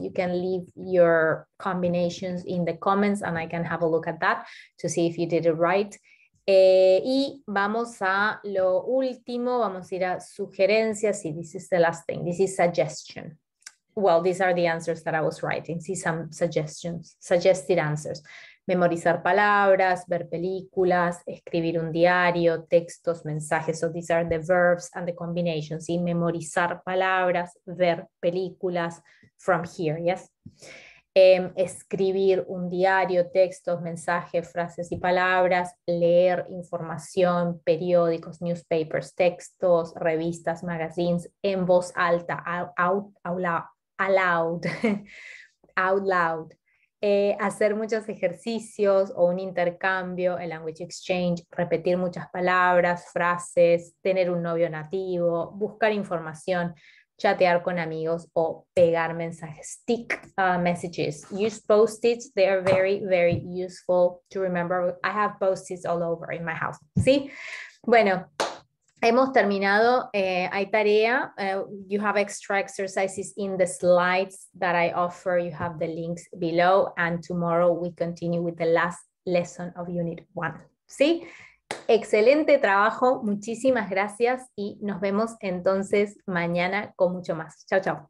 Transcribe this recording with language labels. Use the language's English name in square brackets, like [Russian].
[English] You can leave your combinations in the comments and I can have a look at that to see if you did it right. [Spanish] Y vamos a lo último, vamos a ir a sugerencias. [English] Sí, this is the last thing, this is suggestion. Well, these are the answers that I was writing. See, some suggestions, suggested answers. [Spanish] Memorizar palabras, ver películas, escribir un diario, textos, mensajes. [English] So these are the verbs and the combinations. [Spanish] Sí, memorizar palabras, ver películas, [English] from here, yes? [Spanish] Escribir un diario, textos, mensajes, frases y palabras, leer información, periódicos, newspapers, textos, revistas, magazines, en voz alta, [English] out loud. [Spanish] Hacer muchos ejercicios o un intercambio, el language exchange, repetir muchas palabras, frases, tener un novio nativo, buscar información, chatear con amigos o pegar mensajes. [English] Stick messages. Use post-its. They are very, very useful to remember. I have post-its all over in my house. [Spanish] ¿Sí? Bueno, hemos terminado. Hay tarea. [English] You have extra exercises in the slides that I offer. You have the links below. And tomorrow we continue with the last lesson of Unit 1. [Spanish] ¿Sí? Excelente trabajo, muchísimas gracias y nos vemos entonces mañana con mucho más. Chao, chao.